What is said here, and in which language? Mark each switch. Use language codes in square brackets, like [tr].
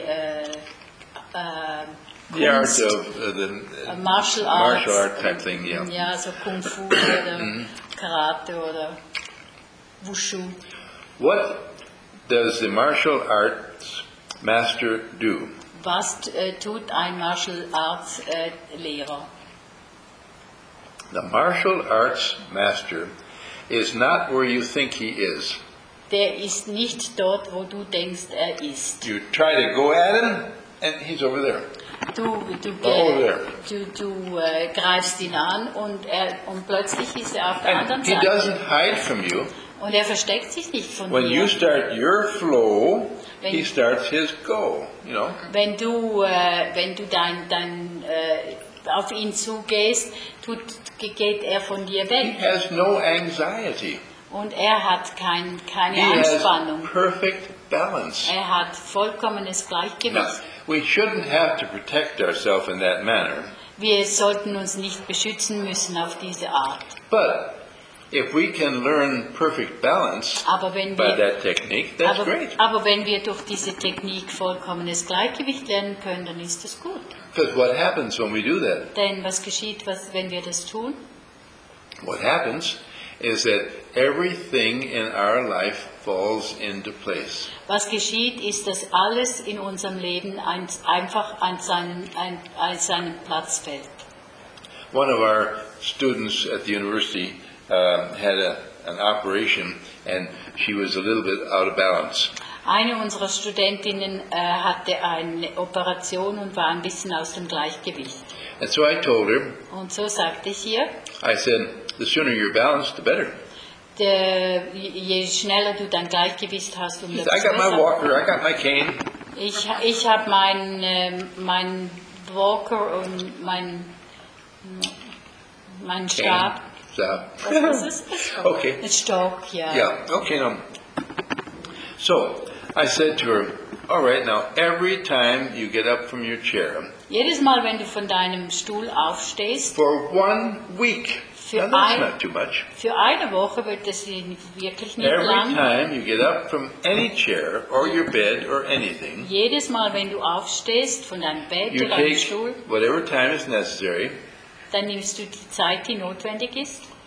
[en] the art of the martial art type thing? Yeah. [de] Ja, so kung fu oder karate oder wushu. [en] What does the martial arts master do? [de] Was tut ein martial arts Lehrer? [en] The martial arts master is not where you think he is. [de] Der ist nicht dort, wo du denkst, er ist. [en] You try to go at him, and he's over there. [de] Greifst ihn an, und plötzlich ist er auf der [en] and [de] anderen Seite. [en] He doesn't hide from you. [de] Und er versteckt sich nicht von [en] when [de] dir. [en] You start your flow, he starts his go. You know. [de] Wenn du auf ihn zugehst, geht er von dir weg. [en] He has no anxiety. [de] Und er hat keine [en] he [de] Anspannung. [en] Has perfect balance. [de] Er hat vollkommenes Gleichgewicht. [en] Now, we shouldn't have to protect ourselves in that manner. [de] Wir sollten uns nicht beschützen müssen auf diese Art. [en] But if we can learn perfect balance by that technique, that's great. [de] Aber wenn wir durch diese Technik vollkommenes Gleichgewicht lernen können, dann ist das gut. [en] Because what happens when we do that? [de] Denn was geschieht, wenn wir das tun? [en] What happens is that everything in our life falls into place. [de] Was geschieht, ist, dass alles in unserem Leben einfach an seinen Platz fällt. [en] One of our students at the university had an operation, and she was a little bit out of balance. [de] Eine unserer Studentinnen hatte eine Operation und war ein bisschen aus dem Gleichgewicht. [en] And so I told her. [de] Und so sagte ich ihr. [en] I said, the sooner you're balanced, the better. [de] Je schneller du dein Gleichgewicht hast, umso besser. [en] I got my walker, I got my cane. [de] Ich habe mein Walker und mein Stab. Stab. Okay. Ein Stock, ja. Ja, okay. No. [en] So, I said to her, all right, now, every time you get up from your chair, [de] jedes Mal, wenn du von deinem Stuhl aufstehst, [en] for 1 week, now that's not too much. [de] Für eine Woche wird das wirklich nicht [en] every [de] lang. [en] Every time you get up from any chair or your bed or anything, [de] jedes Mal, wenn du aufstehst von deinem Bett [en] you [de] oder deinem Stuhl, [en] whatever time is necessary, [de] dann nimmst du die Zeit, die notwendig ist,